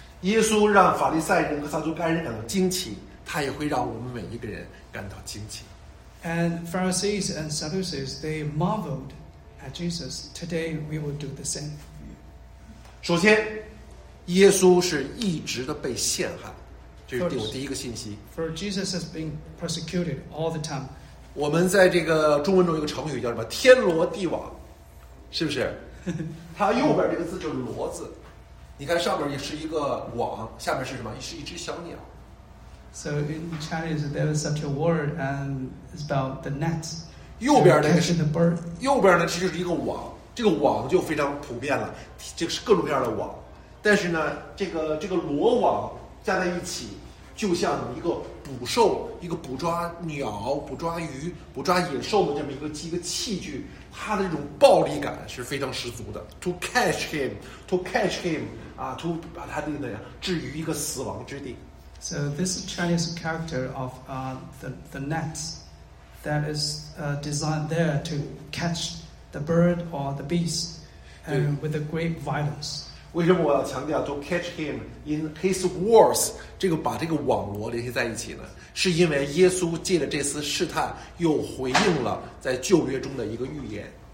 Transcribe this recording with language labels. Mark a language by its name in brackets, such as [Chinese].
[Chinese] 耶稣让法利赛人和撒都该人感到惊奇，他也会让我们每一个人感到惊奇。 [English] And Pharisees and Sadducees, they marveled at Jesus. Today, we will do the same. [Chinese] 首先，耶稣是一直的被陷害，这是我第一个信息。 [English] For Jesus has been persecuted all the time. [Chinese] 我们在这个中文中有一个成语叫什么？天罗地网，是不是？它右边这个字就是罗字，你看上边也是一个网，下面是什么？是一只小鸟。 [English] So in Chinese, there is such a word, and it's about the net. [Chinese] 右边那个是 [English] the bird. [Chinese] 右边呢，其实是一个网，这个网就非常普遍了，这个是各种各样的网。但是呢，这个罗网加在一起，就像一个捕兽、一个捕抓鸟、捕抓鱼、捕抓野兽的这么一个器具，它的这种暴力感是非常十足的。 [English] To catch him, [Chinese] 啊 ，to 把他那个置于一个死亡之地。 [English] So this Chinese character of the net that is designed there to catch the bird or the beast, and with a great violence. [Chinese] 为什么我要强调 [English] to catch him in his wars? [Chinese] 这个把这个网罗联系在一起呢？是因为耶稣借着这次试探，又回应了在旧约中的一个预言。